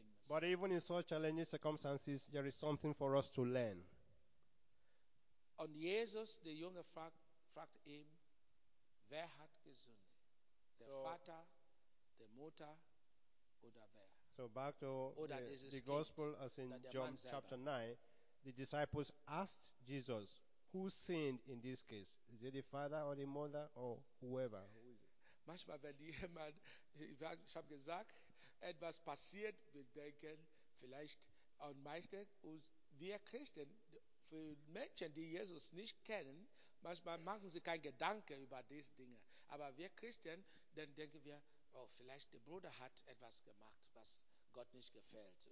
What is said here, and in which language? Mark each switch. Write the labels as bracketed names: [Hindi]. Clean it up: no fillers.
[English] But even in such challenging circumstances, there is something for us to learn. [German] Und Jesus, der Junge, fragt ihm, wer hat gesündigt? Der Vater, der Mutter oder wer? [English] So back to the Gospel as in John chapter 9, the disciples asked Jesus, who sinned in this case? Is it the father or the mother or whoever? [German] Manchmal, wenn jemand, ich habe gesagt, etwas passiert, wir denken vielleicht, und meistens, wir Christen, für Menschen, die Jesus nicht kennen, manchmal machen sie keinen Gedanken über diese Dinge. Aber wir Christen, dann denken wir, oh, vielleicht der Bruder hat etwas gemacht, was Gott nicht gefällt.